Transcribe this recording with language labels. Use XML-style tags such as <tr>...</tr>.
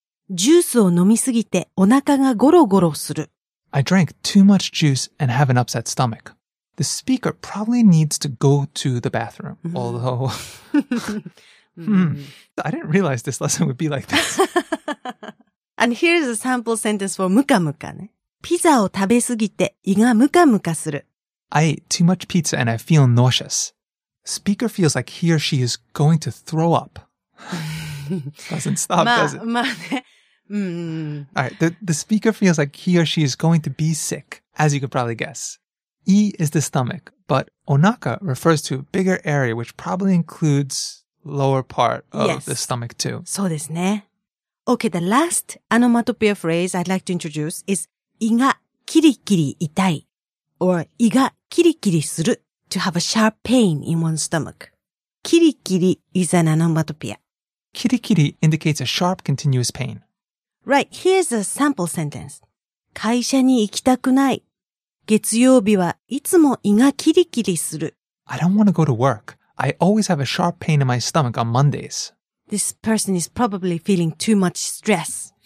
<ja>ジュースを飲みすぎてお腹がゴロゴロする。</ja> <en>I drank too much juice and have an upset stomach. The speaker probably needs to go to the bathroom, although... I didn't realize this lesson would be like this. And here's a sample sentence for ムカムカね。</en> <ja>ピザを食べすぎて胃がムカムカする。</ja> <en>I ate too much pizza and I feel nauseous. Speaker feels like he or she is going to throw up. Doesn't stop, does it?</en> <ja>まあね、</ja> <en>Mm. All right. The speaker feels like he or she is going to be sick, as you could probably guess. I is the stomach, but onaka refers to a bigger area, which probably includes lower part of the stomach too.</en> <ja>そうですね。</ja> <en>Okay, the last onomatopoeia phrase I'd like to introduce is</en> <ja>胃がキリキリ痛い</ja> <en>or</en> <ja>胃がキリキリする</ja> <en>to have a sharp pain in one's stomach. キリキリ is an onomatopoeia. キリキリ indicates a sharp continuous pain. Right, here's a sample sentence.</en> <ja>会社に行きたくない。月曜日はいつも胃がキリキリする。</ja> <en>I don't want to go to work. I always have a sharp pain in my stomach on Mondays. This person is probably feeling too much stress.</en>